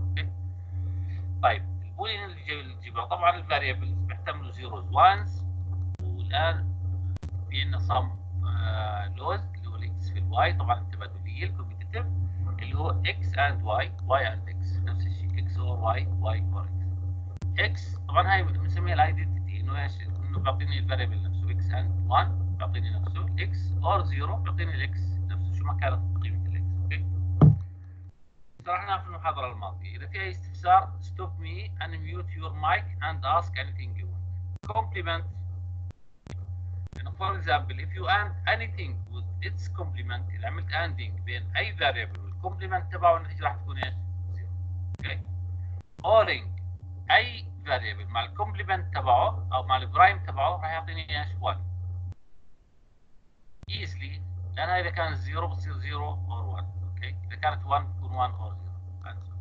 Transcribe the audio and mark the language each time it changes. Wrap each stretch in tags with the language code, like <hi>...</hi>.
<ar>اوكي، طيب وين الجبر؟ طبعا الفاريبلز بيحتملوا زيروز وانز، والان في عندنا صم لوز اللي هو الاكس في الواي، طبعا التبادليه الكومبيتيتيف اللي هو اكس اند واي، واي اند اكس، نفس الشيء اكس اور واي، واي اور اكس. اكس طبعا هاي بنسميها الايدنتيتي، انه ايش؟ انه بيعطيني الفاريبل نفسه اكس اند 1 بيعطيني نفسه، اكس اور 0 بيعطيني الاكس نفسه شو ما كانت قيمه الاكس. اوكي، شرحناها في المحاضره الماضيه. اذا في اي استفسار</ar> <en>stop me and mute your mic and ask anything you want. Complement. For example, if you add anything with its complement,</en> <ar>اذا عملت ending بين اي variable والcomplement تبعه النتيجه راح تكون ايش؟ زيرو. اوكي؟ Oring اي variable مع الcomplement تبعه او مع البرايم تبعه راح يعطيني ايش؟ 1. Easily، لان اذا كان زيرو بصير زيرو اور 1. اوكي؟ اذا كانت 1 بتكون 1 اور 0.</ar>